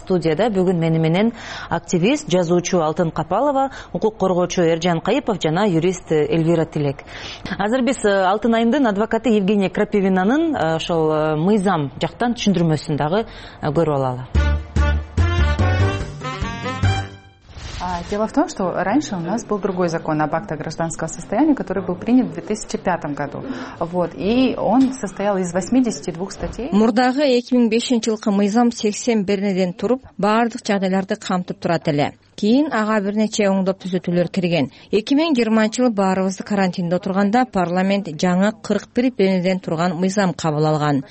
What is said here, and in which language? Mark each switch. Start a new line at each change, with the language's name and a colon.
Kyrgyz: Студияда бүгүн мени менен активист, жазуучу Алтын Капалова, укук коргоочу Эржан Кайыпов жана юрист Эльвира Тилек. Азыр биз Алтын айымдын адвокаты Евгения Крапивинанын ошол мыйзам жактан түшүндүрмөсүн дагы көрүп алалы.
Russian: Дело в том, что раньше у нас был другой закон об актах гражданского состояния, который был принят в 2005 году. Вот. И он состоял из 82 статей.
Kyrgyz: Мурдагы 2005 жылкы мыйзам 81-ден туруп, бардык жагдайларды камтып турат эле. Кийин ага бир нече оңдоп түзөтүүлөр кирген. 2020 жылы баарыбызды карантинде отурганда парламент жаңы 41 беренеден турган мыйзам кабыл алган.